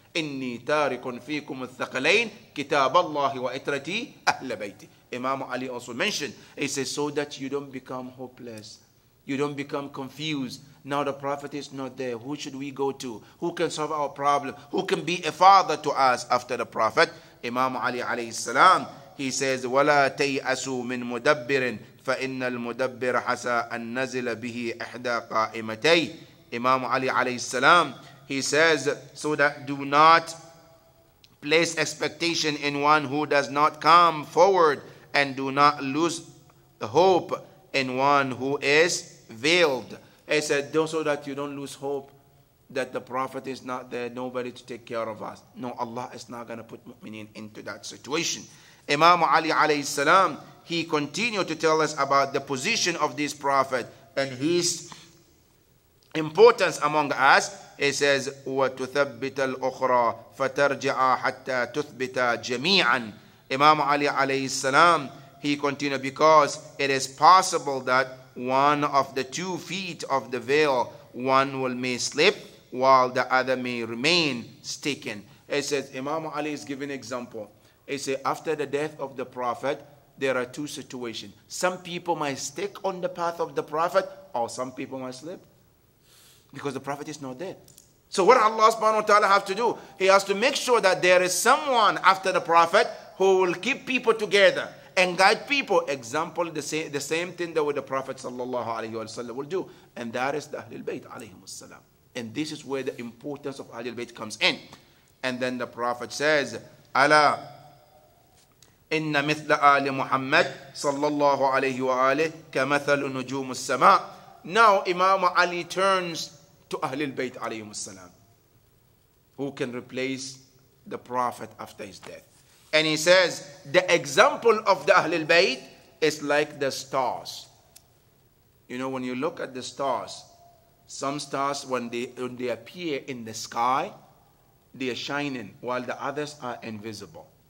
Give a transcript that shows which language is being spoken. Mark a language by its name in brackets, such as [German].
[Arabic] إِنِّي تَارِكٌ فِيكُمُ الثَّقَلَيْنِ كِتَابَ اللَّهِ وَإِتْرَتِي أَهْلَ بَيْتِ. [English] Imam Ali also mentioned, he says, so that you don't become hopeless, you don't become confused. Now the Prophet is not there. Who should we go to? Who can solve our problem? Who can be a father to us after the Prophet? [Arabic] Imam Ali alayhi salam, he says, وَلَا تَيْأَسُوا مِن مُدَبِّرٍ فَإِنَّ الْمُدَبِّرَ حَسَىٰ أَن نَزِلَ بِهِ إِحْدَى قَائِمَتَيْهِ. [English] Imam Ali alayhi salam, he says, so that do not place expectation in one who does not come forward, and do not lose the hope in one who is veiled. He said, so that you don't lose hope that the Prophet is not there, nobody to take care of us. No, Allah is not going to put mu'mineen into that situation. Imam Ali alayhi salam, he continued to tell us about the position of this Prophet and his importance among us. [Arabic] He says, وَتُثَبِّتَ الْأُخْرَى فَتَرْجِعَ حَتَّى تُثْبِتَ جَمِيعًا. [English] Imam Ali alayhi salam, he continued, because it is possible that one of the two feet of the veil, one will may slip while the other may remain sticking. He says, Imam Ali is giving an example. He said, after the death of the Prophet, there are two situations. Some people might stick on the path of the Prophet, or some people might slip, because the Prophet is not there. So what Allah subhanahu wa ta'ala have to do? He has to make sure that there is someone after the Prophet who will keep people together and guide people. Example, the same thing that with the Prophet sallallahu alayhi wa sallam will do. And that is the Ahlul Bayt alayhim as-salam. And this is where the importance of Ahlul Bayt comes in. [Arabic] And then the Prophet says, Ala, إِنَّ مِثْلَ آلِ مُحَمَّدْ صَلَّى اللَّهُ عَلَيْهِ وَآلِهِ كَمَثَلُ نُجُومُ السَّمَاءِ. [English] Now Imam Ali turns to Ahlul Bayt alayhim as-salam, who can replace the Prophet after his death. And he says, the example of the Ahlul Bayt is like the stars. You know, when you look at the stars, some stars, when they appear in the sky, they are shining, while the others are invisible.